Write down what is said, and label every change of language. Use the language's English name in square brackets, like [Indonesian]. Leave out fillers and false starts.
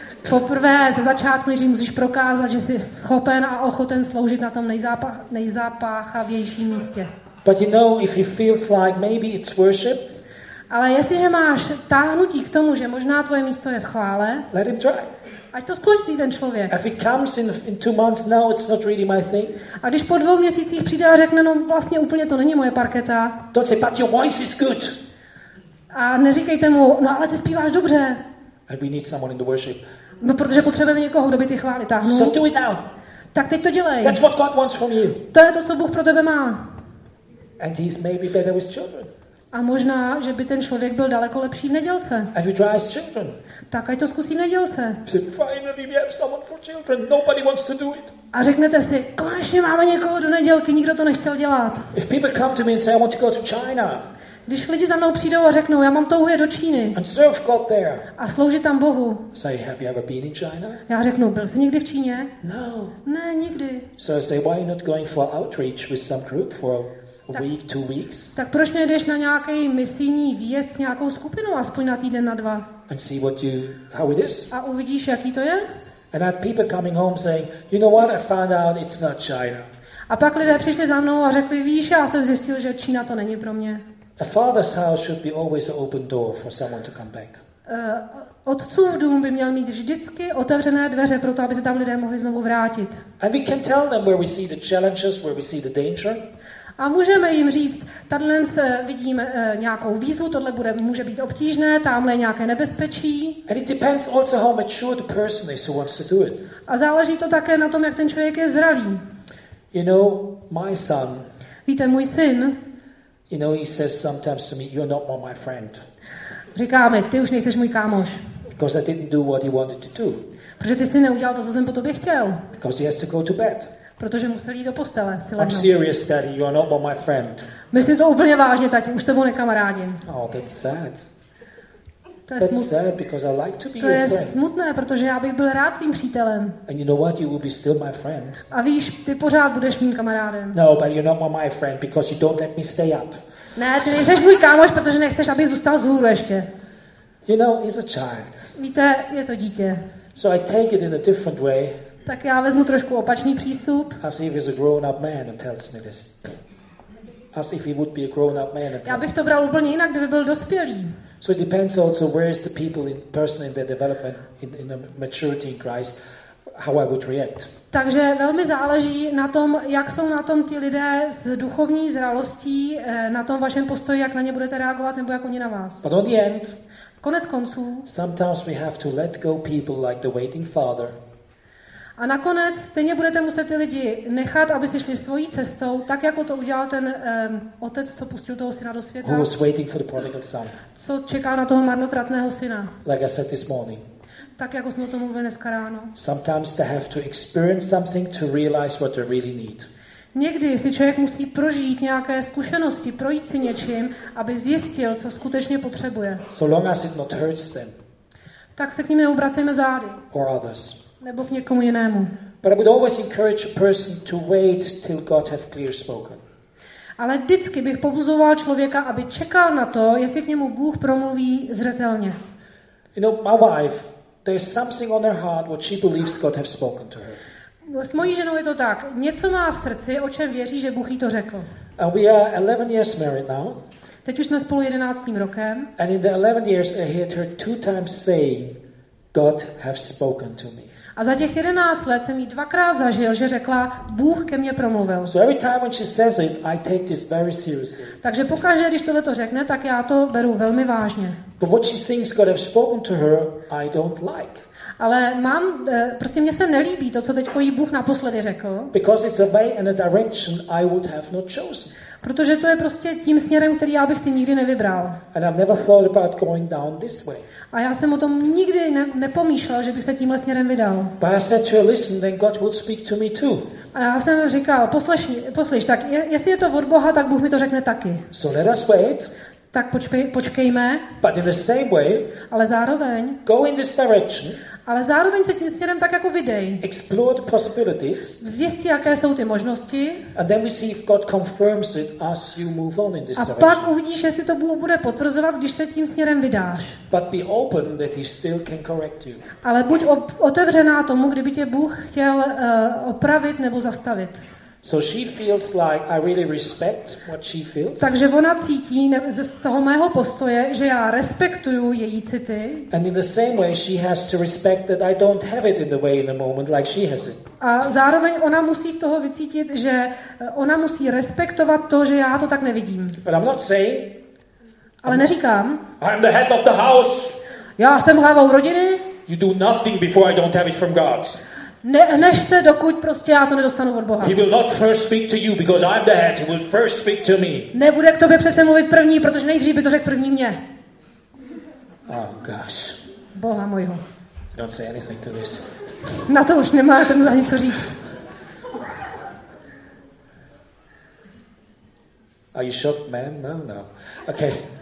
[Czech] Poprvé ze začátku, když musíš prokázat, že jsi schopen a ochoten sloužit na tom nejzápachavějším místě. [English] But you know, if it feels like maybe it's worship. [Czech] Ale jestliže máš táhnutí k tomu, že možná tvoje místo je v chvále, [English] let him try. [Czech] Ať to zkusí ten člověk. [English] If he comes in 2 months, no, it's not really my thing. [Czech] A když po 2 měsících přijde a řekne, no vlastně úplně to není moje parketa. [English] Don't say, but your voice is good. [Czech] A neříkejte mu, no ale ty zpíváš dobře. [English] And we need someone in the worship. [Czech] No protože potřebujeme někoho, kdo by ty chvály táhnul. [English] So do it now. [Czech] Tak teď to dělej. [English] That's what God wants from you. [Czech] To je to, co Bůh pro tebe má. [English] And he's maybe better with children. [Czech] A možná, že by ten člověk byl daleko lepší v nedělce. [English] And we try as children. [Czech] Tak ať to zkusí v nedělce. [English] Finally we have someone for children. Nobody wants to do it. [Czech] A řeknete si, konečně máme někoho do nedělky, nikdo to nechtěl dělat. [English] If people come to me and say, I want to go to China. [Czech] Když lidi za mnou přijdou a řeknou, já mám touhu jít do Číny. [English] And serve God there. [Czech] A sloužit tam Bohu. [English] Say, have you ever been in China? [Czech] Já řeknu, byl jsi někdy v Číně? [English] No. [Czech] Ne, nikdy. [English] So I say, why are you not going for outreach with some group for week, 2 weeks. [Czech] Tak proč nejdeš na nějaký misijní výjezd s nějakou skupinou, aspoň na týden, na dva? [English] And see what you, how it is. [Czech] A uvidíš, jaký to je? [English] And I had people coming home saying, you know what, I found out it's not China. [Czech] A pak lidé přišli za mnou a řekli, víš, já jsem zjistil, že Čína to není pro mě. [English] A father's house should be always an open door for someone to come back. [Czech] Otcův dům by měl mít vždycky otevřené dveře pro to, aby se tam lidé mohli znovu vrátit. [English] And we can tell them where we see the challenges, where we see the danger. [Czech] A můžeme jim říct, tadyhle se vidím nějakou výzvu, tohle bude, může být obtížné, tamhle nějaké nebezpečí. [English] And it depends also how mature the person is who wants to do it. [Czech] A záleží to také na tom, jak ten člověk je zralý. [English] You know, my son. [Czech] Víte, můj syn. [English] You know, he says sometimes to me, you're not more my friend. [Czech] Říká mi, ty už nejseš můj kámoš. [English] Because I didn't do what he wanted to do. [Czech] Protože ty jsi neudělal to, co jsem po tobě chtěl. [English] Because he has to go to bed. [Czech] Protože musel jít do postele. [English] I'm serious, daddy, you are not my friend. [Czech] Myslím to úplně vážně, tati, už tebou nekamarádím. [English] Oh, that's sad. That's sad because I like to be to your je friend. [Czech] Smutné, protože já bych byl rád tvým přítelem. [English] And you know what, you will be still my friend. [Czech] A víš, ty pořád budeš mým kamarádem. [English] No, but you're not my friend because you don't let me stay up. [Czech] Ne, ty nejseš můj kámoš, protože nechceš, abych zůstal vzhůru ještě. [English] You know, he's a child. [Czech] Víte, je to dítě. [English] So I take it in a different way. [Czech] Tak já vezmu trošku opačný přístup. [English] As if he's a grown-up man and tells me this. As if he would be a grown-up man. [Czech] Já bych to bral úplně jinak, kdyby byl dospělý. [English] So it depends also where is the people in person in their development in the maturity in Christ, how I would react. [Czech] Takže velmi záleží na tom, jak jsou na tom ti lidé s duchovní zralostí, na tom vašem postoji, jak na ně budete reagovat nebo jak oni na vás. [English] But on the end. [Czech] Konec konců. [English] Sometimes we have to let go people like the waiting father. [Czech] A nakonec stejně budete muset ty lidi nechat, aby si šli svojí cestou, tak jako to udělal ten otec, co pustil toho syna do světa. [English] Who was waiting for the prodigal son. [Czech] Co čekal na toho marnotratného syna. [English] Like I said this morning. [Czech] Tak jako jsme o tom mluvili dneska ráno. [English] Sometimes they have to experience something to realize what they really need. [Czech] Někdy si člověk musí prožít nějaké zkušenosti, projít si něčím, aby zjistil, co skutečně potřebuje. [English] So long as it not hurts them. [Czech] Tak se k nimi neobracejme zády. [English] Or others. [Czech] Nebo k někomu jinému. [English] But I would always encourage a person to wait till God have clear spoken. [Czech] Ale vždycky bych pobuzoval člověka, aby čekal na to, jestli k němu Bůh promluví zřetelně. [English] You know, my wife, there's something on her heart what she believes God have spoken to her. [Czech] S mojí ženou je to tak. Něco má v srdci, o čem věří, že Bůh jí to řekl. [English] And we are 11 years married now. [Czech] Teď už jsme spolu 11. rokem. [English] And in the 11 years I heard her 2 times saying God have spoken to me. [Czech] A za těch 11 let jsem jí dvakrát zažil, že řekla, Bůh ke mně promluvil. [English] So every time when she says it, I take this very seriously. [Czech] Takže pokaždé, když tohle to řekne, tak já to beru velmi vážně. [English] But what she thinks God have spoken to her, I don't like. [Czech] Ale mám, prostě mně se nelíbí to, co teď tvojí Bůh naposledy řekl. [English] Because it's a way and a direction I would have not chosen. [Czech] Protože to je prostě tím směrem, který já bych si nikdy nevybral. [English] And I've never thought about going down this way. [Czech] A já jsem o tom nikdy nepomýšlel, že bych se tímhle směrem vydal. [English] But I said to her, listen, then God will speak to me too. [Czech] A já jsem říkal, poslyš, tak jestli je to od Boha, tak Bůh mi to řekne taky. [English] So let us wait. [Czech] Tak počkejme. [English] But in the same way. [Czech] Ale zároveň. [English] Go in this direction. [Czech] Ale zároveň se tím směrem tak jako vydej. [English] Explore the possibilities. [Czech] Zjistí, jaké jsou ty možnosti. [English] And then we see if God confirms it as you move on in this direction. [Czech] A pak uvidíš, jestli to Bůh bude potvrzovat, když se tím směrem vydáš. [English] But be open that he still can correct you. [Czech] Ale buď otevřená tomu, kdyby tě Bůh chtěl opravit nebo zastavit. [English] So she feels like I really respect what she feels. [Czech] Takže ona cítí z toho mého postoje, že já respektuju její city. [English] And in the same way she has to respect that I don't have it in the way in the moment like she has it. [Czech] A zároveň ona musí z toho vycítit, že ona musí respektovat to, že já to tak nevidím. [English] But I'm not saying. [Czech] Ale neříkám. [English] I'm the head of the house. [Czech] Já jsem hlavou rodiny. [English] You do nothing before I don't have it from God. [Czech] Nehneš se, dokud prostě já to nedostanu od Boha. [English] He will not first speak to you because I'm the head. He will first speak to me. [Czech] Nebude k tobě přece mluvit první, protože nejdřív by to řekl první mě. [English] Oh gosh. [Czech] Boha mojho. [English] Don't say anything to this. [Czech] Na to už nemá ten za něco říct. [English] Are you shocked, man? No. Okay.